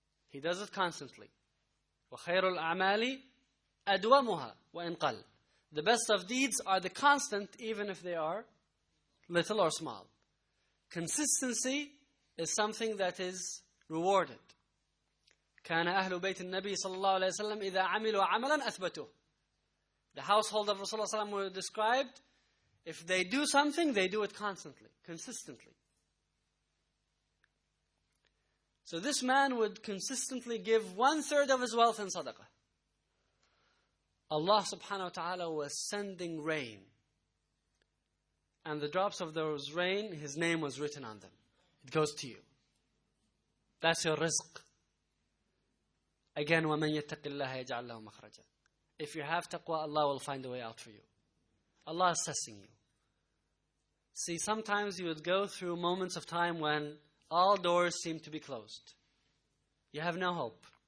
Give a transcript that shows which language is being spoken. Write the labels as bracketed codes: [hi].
[en] He does it constantly. [ar] وَخَيْرُ الْأَعْمَالِ أَدْوَمُهَا وَإِنْ قَلْ. [en] The best of deeds are the constant, even if they are little or small. Consistency is something that is rewarded. [ar] كان أهل بيت النبي صلى الله عليه وسلم إذا عملوا عملا أثبتوا. [en] The household of Rasulullah صلى الله عليه وسلم were described, if they do something, they do it constantly, consistently. So this man would consistently give one third of his wealth in sadaqah. Allah subhanahu wa ta'ala was sending rain. And the drops of those rain, his name was written on them. It goes to you. That's your rizq. Again, [ar] وَمَنْ يَتَّقِ اللَّهَ يَجْعَلْ لَهُ مَخْرَجًا. [en] If you have taqwa, Allah will find a way out for you. Allah is assessing you. See, sometimes you would go through moments of time when all doors seem to be closed. You have no hope.